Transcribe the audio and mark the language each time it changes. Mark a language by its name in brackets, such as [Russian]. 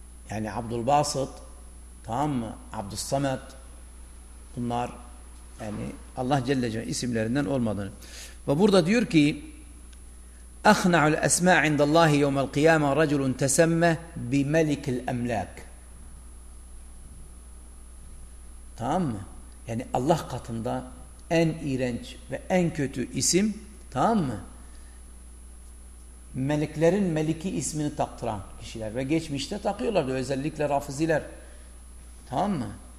[Turkish] Yani Abdülbasit, tamam mı? Abdüssamet, bunlar yani Allah Celle Celaluhu isimlerinden olmadığını. Ve burada diyor ki [Arabic] اَخْنَعُ الْاَسْمَاءِ عِنْدَ اللّٰهِ يَوْمَ الْقِيَامَةِ رَجُلٌ تَسَمَّ بِمَلِكِ الْاَمْلَاكِ. [Turkish] Tamam mı? Yani Allah katında en iğrenç ve en kötü isim, tamam mı? Meleklerin meliki ismini taktıran kişiler ve geçmişte takıyorlardı özellikle rafiziler. Tamam mı?